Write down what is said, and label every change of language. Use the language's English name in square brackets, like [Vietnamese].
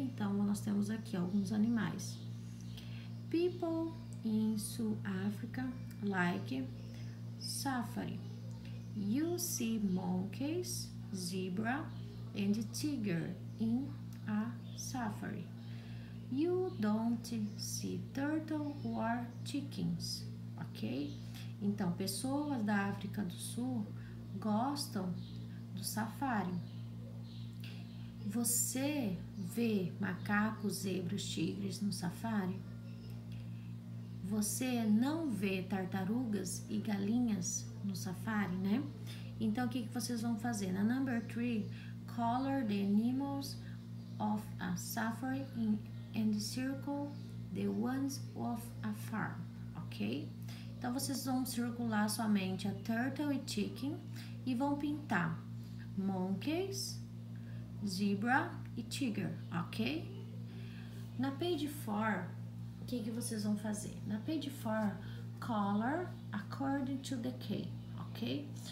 [Portuguese] Então, nós temos aqui alguns animais. [English] People in South Africa like safari. You see monkeys, zebra and tiger in a safari. You don't see turtle or chickens, ok? [Portuguese] Então, pessoas da África do Sul gostam do safari. Você vê macacos, zebras, tigres no safari? Você não vê tartarugas e galinhas no safari, né? Então, o que vocês vão fazer? [English] Na number 3, color the animals of a safari and circle the ones of a farm, ok? [Portuguese] Então, vocês vão circular somente a turtle e chicken e vão pintar monkeys, zebra e tiger, ok? Na page 4, o que vocês vão fazer? [English] Na page 4, color according to the key, ok?